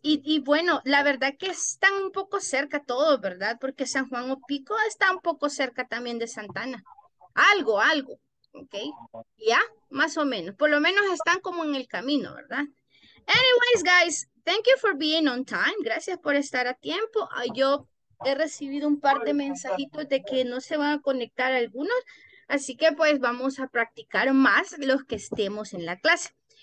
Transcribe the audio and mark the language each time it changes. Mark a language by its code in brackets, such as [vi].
[es] Y bueno, la verdad que están un poco cerca todos, ¿verdad? Porque San Juan o Pico está un poco cerca también de Santana. Algo, algo, ¿ok? Ya, más o menos. Por lo menos están como en el camino, ¿verdad? [en] Anyways, guys, thank you for being on time. [es] Gracias por estar a tiempo. Yo he recibido un par de mensajitos de que no se van a conectar algunos. Así que pues vamos a practicar más los que estemos en la clase.